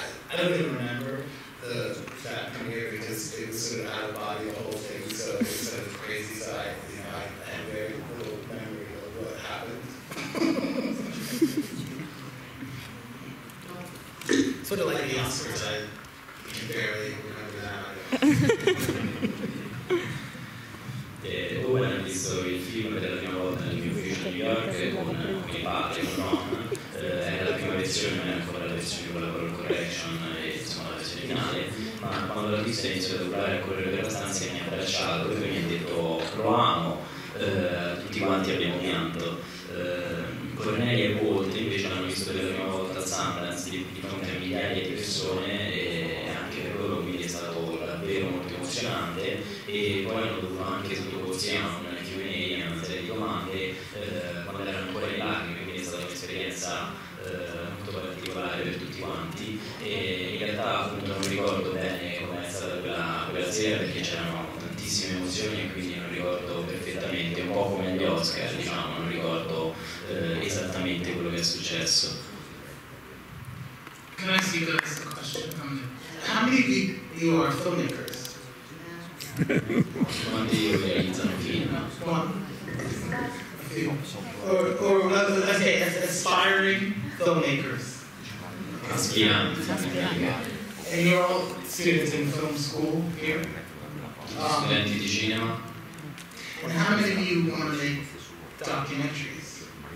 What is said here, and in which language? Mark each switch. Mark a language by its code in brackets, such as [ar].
[en] I don't even remember that premiere because it was sort of out of body, the whole thing, so it was sort of crazy, so I have very little memory of what happened. Sort of like the Oscars, I can barely remember that. [it] Owen ha visto il film per la prima volta nel mio ufficio di New York con i padri, con nonna, era la prima versione, era ancora la versione con la color correction e insomma la versione finale, ma quando l'artista ha iniziato a urlare a correre per la stanza mi ha abbracciato e mi ha detto lo amo, tutti quanti abbiamo pianto. Cornelia e Walt invece l'hanno visto per la prima volta a Sundance di fronte a migliaia di persone e anche per loro quindi è stato davvero molto emozionante e poi hanno dovuto anche sottoporsi a un Q&A, a una serie di domande quando erano ancora in lacrime, quindi è stata un'esperienza molto particolare per tutti quanti e in realtà appunto non ricordo bene com'è stata quella sera perché c'erano tantissime emozioni e quindi non ricordo perfettamente, un po' come gli Oscar, diciamo, non ricordo esattamente quello che è successo. [en] Can I ask you guys a question? How many of you are filmmakers? [it] Quanti di voi realizzano film? [en] One. Or rather, okay, aspiring filmmakers. [it] Aspiranti. [en] And you're all students in film school here? [it] Studenti di cinema. [en] And how many of you want to make documentaries?